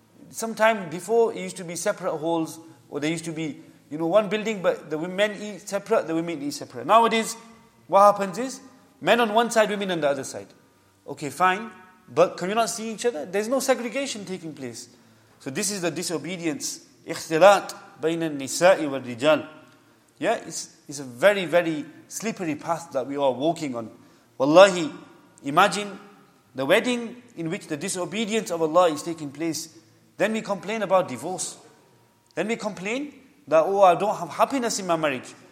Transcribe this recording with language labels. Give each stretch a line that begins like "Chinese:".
English: Sometime before, it used to be separate halls, or there used to be, you know, one building, but the men eat separate, the women eat separate. Nowadays, what happens is, men on one side, women on the other side. Okay, fine, but can you not see each other? There's no segregation taking place. So this is the disobedience.
Arabic: اختلاط بين النساء والرجال.
English: Yeah, it's a very, very slippery path that we are walking on. Wallahi, imagine the wedding in which the disobedience of Allah is taking place. Then we complain about divorce. Then we complain that, oh, I don't have happiness in my marriage.